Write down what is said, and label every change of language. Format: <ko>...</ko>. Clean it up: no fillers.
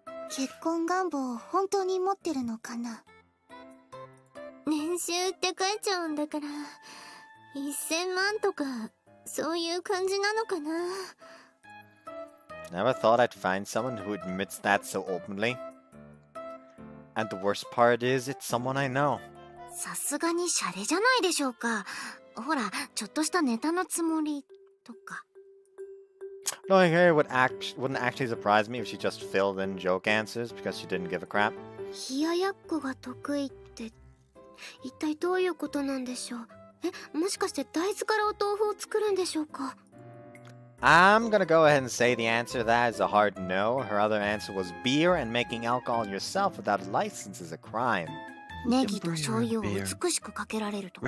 <ja>結婚願望本当に持ってるのかな。年収って書いちゃうんだから1000万とかそういう感じなのかな。</ja> <en>Never thought I'd find someone who admits that so openly. And the worst part is it's someone I know.</en> <ja>さすがにシャレじゃないでしょうか。ほらちょっとしたネタのつもりとか。</ja> <en>Knowing her wouldn't actually surprise me if she just filled in joke answers because she didn't give a crap.</en> <ja>冷ややっこが得意って一体どういうことなんでしょう。え、もしかして大豆からお豆腐を作るんでしょうか。</ja> <en>I'm gonna go ahead and say the answer to that is a hard no. Her other answer was beer and making alcohol yourself without a license is a crime.</en> <ja>ネギと醤油を美しくかけられるとか。</ja>